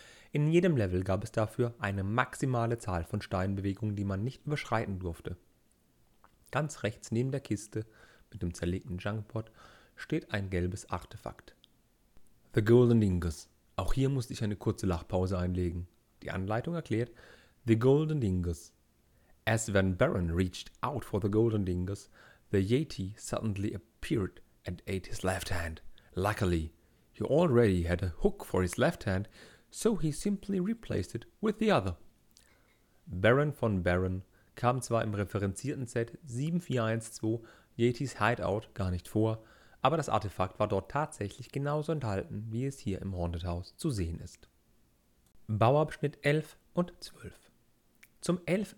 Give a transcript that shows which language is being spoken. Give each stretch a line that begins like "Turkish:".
German: In jedem Level gab es dafür eine maximale Zahl von Steinbewegungen, die man nicht überschreiten durfte. Ganz rechts neben der Kiste mit dem zerlegten Junkpot steht ein gelbes Artefakt. The Golden Dingus. Auch hier musste ich eine kurze Lachpause einlegen. Die Anleitung erklärt: The Golden Dingus.
English: As Van Baron reached out for the Golden Dingus, the Yeti suddenly appeared and ate his left hand. Luckily, he already had a hook for his left hand, so he simply replaced it with the other.
German: Baron von Baron kam zwar im referenzierten Set 7412 Yetis Hideout gar nicht vor, aber das Artefakt war dort tatsächlich genauso enthalten, wie es hier im Haunted House zu sehen ist. Bauabschnitt 11 und 12. Zum 11.